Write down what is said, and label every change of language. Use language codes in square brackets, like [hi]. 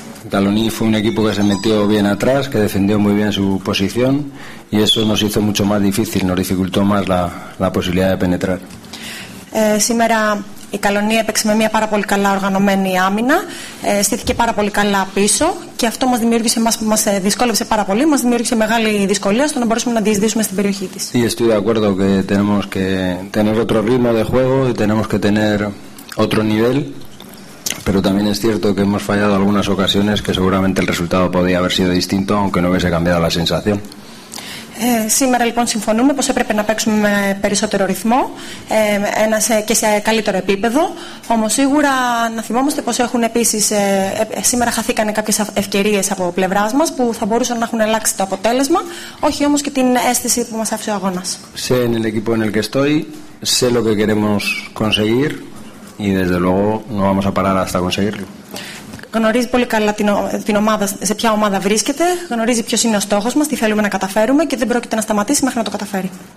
[es] Taloní fue un equipo que se metió bien atrás, que defendió muy bien su posición y eso nos hizo mucho más difícil, nos dificultó más la posibilidad de penetrar. [el] Σήμερα η Καλονία έπαιξε με μια πάρα πολύ καλά οργανωμένη άμυνα, στήθηκε πάρα πολύ καλά πίσω και αυτό μας δημιούργησε, μας δυσκόλεψε πάρα πολύ, μας δημιούργησε μεγάλη δυσκολία στο να μπορέσουμε να διεισδύσουμε στην περιοχή της. [es] Y estoy de acuerdo que tenemos que tener otro ritmo de juego y tenemos que tener otro nivel, pero también es cierto que hemos fallado algunas ocasiones que seguramente el resultado podría haber sido distinto aunque no hubiese cambiado la sensación. [el] Σήμερα λοιπόν συμφωνούμε πως έπρεπε να παίξουμε με περισσότερο ρυθμό και σε καλύτερο επίπεδο. Όμως σίγουρα να θυμόμαστε πως έχουν επίσης σήμερα χαθήκαν κάποιες ευκαιρίες από πλευράς μας που θα μπορούσαν να έχουν αλλάξει το αποτέλεσμα, όχι όμως και την αίσθηση που μας άφησε ο αγώνας. [es] Sé en el equipo en el que estoy, sé lo que queremos conseguir y desde luego no vamos a parar hasta conseguirlo. [el] Γνωρίζει πολύ καλά την ομάδα, σε ποια ομάδα βρίσκεται, γνωρίζει ποιος είναι ο στόχος μας, τι θέλουμε να καταφέρουμε και δεν πρόκειται να σταματήσει μέχρι να το καταφέρει.